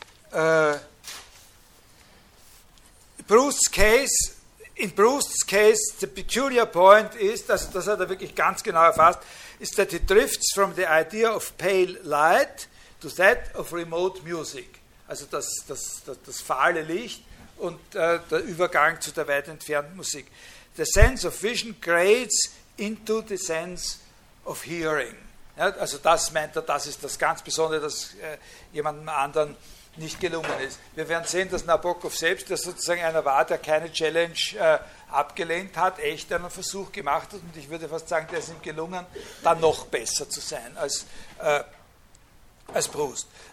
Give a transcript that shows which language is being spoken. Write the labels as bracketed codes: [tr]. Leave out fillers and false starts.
[en] In Proust's case, the peculiar point is, [de] also das hat er wirklich ganz genau erfasst, [en] is that he drifts from the idea of pale light to that of remote music. [de] Also das fahle Licht und der Übergang zu der weit entfernten Musik. [en] The sense of vision grades into the sense of hearing. [de] Ja, also das meint er, das ist das ganz Besondere, das jemandem anderen nicht gelungen ist. Wir werden sehen, dass Nabokov selbst, der sozusagen einer war, der keine Challenge abgelehnt hat, echt einen Versuch gemacht hat, und ich würde fast sagen, der ist ihm gelungen, dann noch besser zu sein als Proust.